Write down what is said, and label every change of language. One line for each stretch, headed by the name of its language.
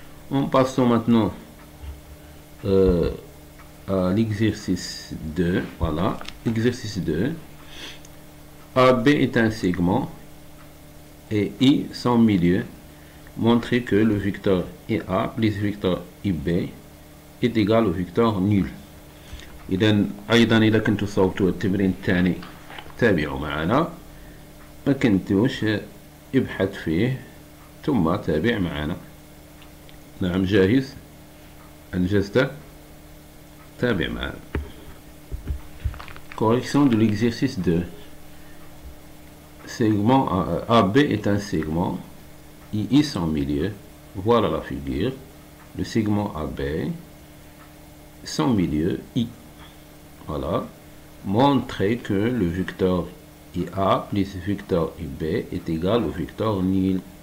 French: En passant maintenant à l'exercice 2, voilà, exercice 2, AB est un segment et I son milieu. Montrer que le vecteur IA plus vecteur IB est égal au vecteur nul.
Arabic: إذن أيضا إذا كنتوا صوتوا التمرين الثاني تابعوا معنا، ما كنتوش ابحث فيه ثم تابع معنا. نعم جاهز، أنجزت، تابع معنا.
French: Correction de l'exercice 2. Segment AB est un segment IE son milieu. Voilà la figure. Le segment AB son milieu I. Voilà, montrer que le vecteur IA plus vecteur IB est égal au vecteur nul.